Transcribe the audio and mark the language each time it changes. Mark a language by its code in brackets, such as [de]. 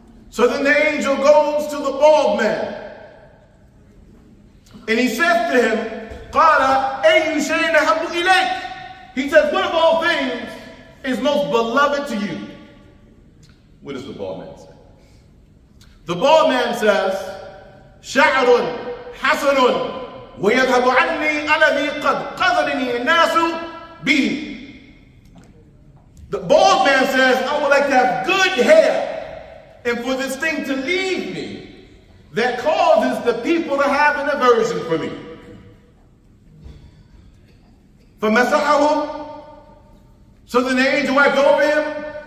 [en] So then the angel goes to the bald man, and he says to him, [ar] قَالَ أَيُّ شَيْءٍ أَحَبُّ إِلَيْكَ. [en] He says, what of all things is most beloved to you? What does the bald man say? The bald man says, [ar] شَعْرٌ حَسَنٌ وَيَذْهَبُ عَنِّي أَلَذِي قَدْ قَذَرِنِي النَّاسُ بِهِ. [en] The bald man says, I would like to have good hair, and for this thing to leave me, that causes the people to have an aversion for me. [ar] فَمَسَحَهُ. [en] So then the angel wiped over him.